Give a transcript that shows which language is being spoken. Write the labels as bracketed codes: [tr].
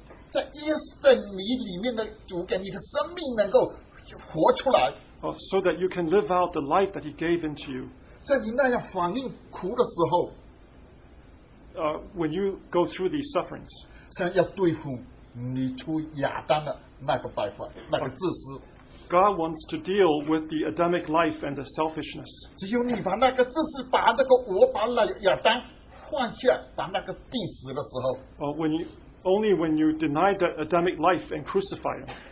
[zh] 在你里面的主给你的生命能够活出来 [en] so that you can live out the life that He gave into you. [zh] 在你那样反应苦的时候 [en] when you go through these sufferings, [zh] 神要对付你出亚当的那个败坏，那个自私。 [en] God wants to deal with the Adamic life and the selfishness. [zh] 只有你把那个自私，把那个我把亚当换下，把那个钉死的时候。 [en] Only when you deny the Adamic life and crucify him.